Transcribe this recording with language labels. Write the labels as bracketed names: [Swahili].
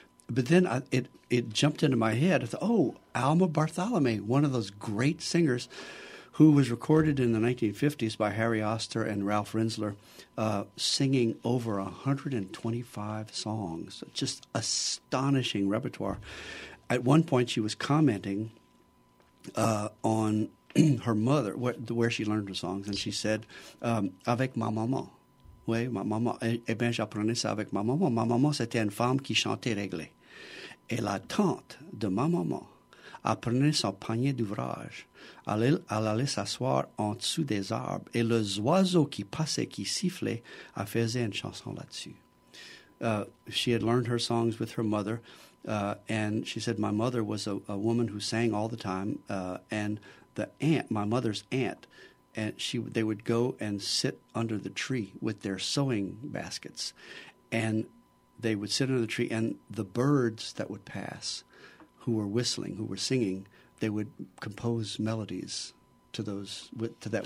[English] But then it jumped into my head. I thought, oh, Alma Bartholomew, one of those great singers who was recorded in the 1950s by Harry Oster and Ralph Rinsler, singing over 125 songs, just astonishing repertoire. At one point, she was commenting on her mother, where she learned her songs, and she said, [French] avec ma maman. Oui, ma maman. Eh bien, j'apprenais ça avec ma maman. Ma maman, c'était une femme qui chantait réglée. Et la tante de ma maman apprenait son panier d'ouvrage à aller s'asseoir en dessous des arbres. Et le oiseau qui passait, qui sifflait, a faisait une chanson là-dessus. [English] She had learned her songs with her mother, and she said my mother was a woman who sang all the time, and the aunt, my mother's aunt, and they would go and sit under the tree with their sewing baskets, and they would sit under the tree, and the birds that would pass, who were whistling, who were singing, they would compose melodies to those to that